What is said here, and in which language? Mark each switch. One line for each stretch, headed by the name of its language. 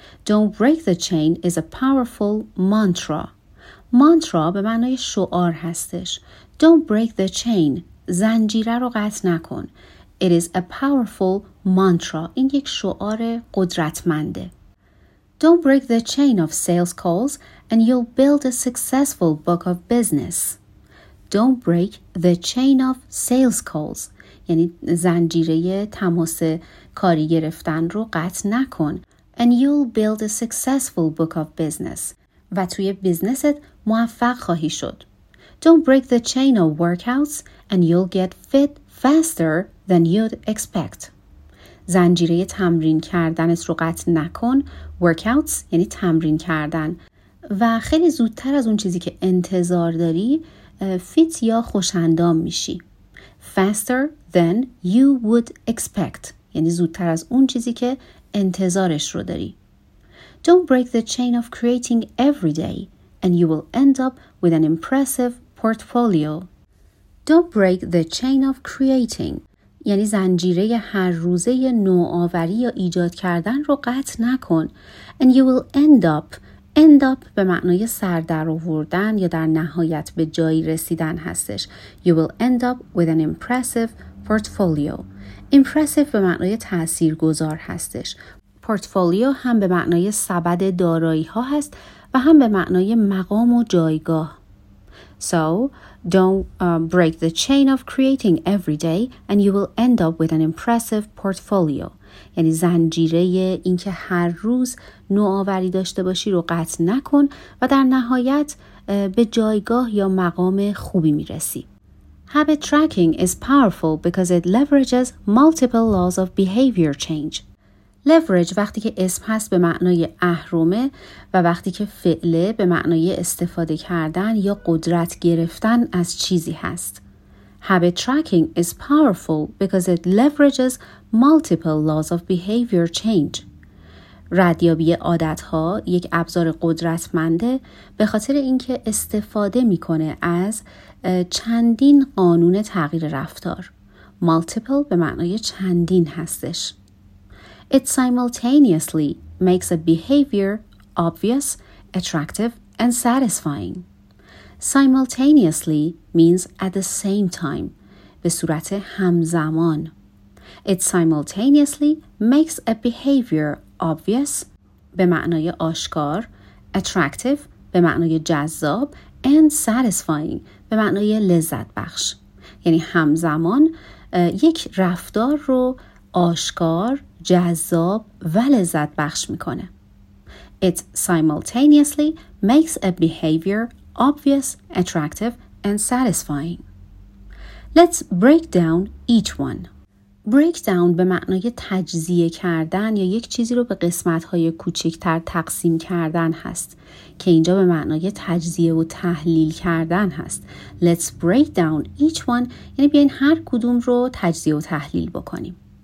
English: Don't break the chain is a powerful mantra.
Persian: Mantra به معنای شعار هستش.
English: Don't break the chain.
Persian: زنجیره رو قطع نکن.
English: It is a powerful mantra.
Persian: این یک شعار قدرتمنده.
English: Don't break the chain of sales calls and you'll build a successful book of business. Don't break the chain of sales calls.
Persian: یعنی زنجیره تماس کاری گرفتن رو قطع نکن.
English: And you'll build a successful book of business.
Persian: و توی بیزنست موفق خواهی شد.
English: Don't break the chain of workouts and you'll get fit faster than you'd expect.
Persian: زنجیره تمرین کردنت رو قطع نکن. Workouts یعنی تمرین کردن. و خیلی زودتر از اون چیزی که انتظار داری فیت یا خوشندام میشی.
English: Faster than you would expect.
Persian: یعنی زودتر از اون چیزی که انتظارش رو داری.
English: Don't break the chain of creating every day and you will end up with an impressive portfolio. Don't break the chain of creating
Persian: یعنی زنجیره هر روزه نوآوری یا ایجاد کردن رو قطع نکن.
English: And you will end up
Persian: به معنای سر در آوردن یا در نهایت به جایی رسیدن هستش.
English: You will end up with an impressive portfolio.
Persian: Impressive به معنای تاثیرگذار هستش. Portfolio هم به معنای سبد دارایی ها هست و هم به معنای مقام و جایگاه.
English: So, don't break the chain of creating every day and you will end up with an impressive portfolio.
Persian: یعنی زنجیره این که هر روز نوآوری داشته باشی رو قطع نکن و در نهایت به جایگاه یا مقام خوبی میرسی.
English: Habit tracking is powerful because it leverages multiple laws of behavior change.
Persian: Leverage وقتی که اسم هست به معنای اهرمه و وقتی که فعله به معنای استفاده کردن یا قدرت گرفتن از چیزی هست.
English: Habit tracking is powerful because it leverages multiple laws of behavior change.
Persian: ردیابی عادت‌ها یک ابزار قدرتمنده به خاطر اینکه استفاده می‌کنه از چندین قانون تغییر رفتار. Multiple به معنای چندین هستش.
English: It simultaneously makes a behavior obvious, attractive and satisfying. Simultaneously means at the same time.
Persian: به صورت همزمان.
English: It simultaneously makes a behavior obvious
Persian: به معنای آشکار,
English: attractive
Persian: به معنای جذاب
English: and satisfying
Persian: به معنای لذت بخش. یعنی همزمان یک رفتار رو آشکار, جذاب و لذت بخش میکنه.
English: It simultaneously makes a behavior obvious, attractive and satisfying. Let's break down each one.
Persian: Breakdown به معنای تجزیه کردن یا یک چیزی رو به قسمت‌های کوچکتر تقسیم کردن هست که اینجا به معنای تجزیه و تحلیل کردن هست.
English: Let's break down each one
Persian: یعنی بیاین هر کدوم رو تجزیه و تحلیل بکنیم.